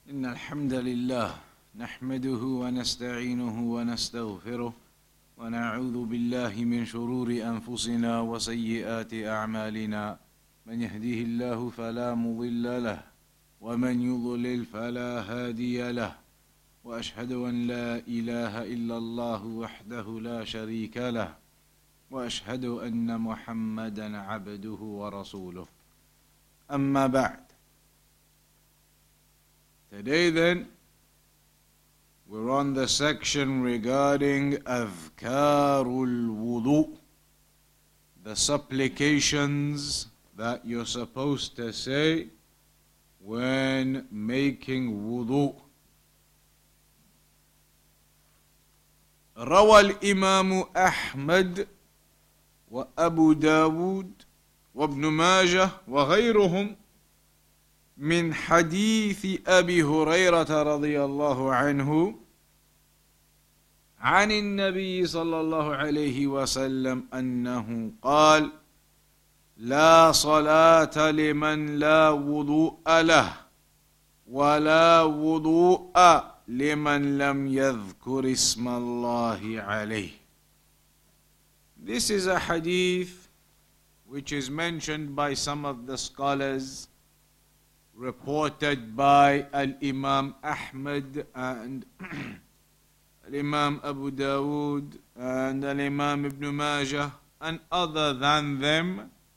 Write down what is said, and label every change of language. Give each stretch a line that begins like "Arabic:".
Arabic: إن الحمد لله نحمده ونستعينه ونستغفره ونعوذ بالله من شرور أنفسنا وسيئات أعمالنا من يهده الله فلا مضل له ومن يضلل فلا هادي له وأشهد أن لا إله إلا الله وحده لا شريك له وأشهد أن محمدا عبده ورسوله أما بعد.
English: Today then, we're on the section regarding Adhkarul Wudu, the supplications that you're supposed to say when making wudu.
Arabic: Rawa al-Imam Ahmad wa Abu Dawood wa Ibn Majah wa ghayruhum من حديث أبي هريرة رضي الله عنه عن النبي صلى الله عليه وسلم أنه قال لا صلاة لمن لا وضوء له ولا وضوء لمن لم يذكر اسم الله عليه.
English: This is a hadith which is mentioned by some of the scholars, reported by Al-Imam Ahmad and Al-Imam Abu Dawood and Al-Imam Ibn Majah and other than them,